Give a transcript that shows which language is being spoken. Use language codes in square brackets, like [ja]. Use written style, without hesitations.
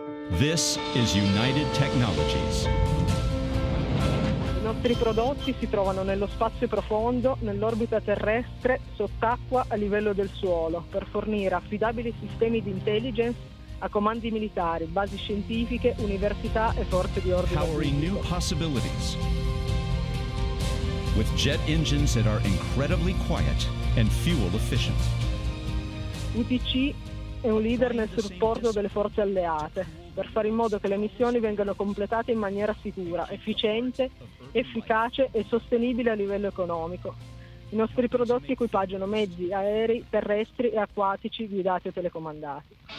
[en] This is United Technologies. [it] I nostri prodotti si trovano nello spazio profondo, nell'orbita terrestre, sott'acqua, a livello del suolo, per fornire affidabili sistemi di intelligence a comandi militari, basi scientifiche, università e forze di ordine pubblico. [en] Powering new possibilities with jet engines that are incredibly quiet and fuel efficient. [it] UTC è un leader nel supporto delle forze alleate per fare in modo che le missioni vengano completate in maniera sicura, efficiente, efficace e sostenibile a livello economico. I nostri prodotti equipaggiano mezzi aerei, terrestri e acquatici guidati e telecomandati.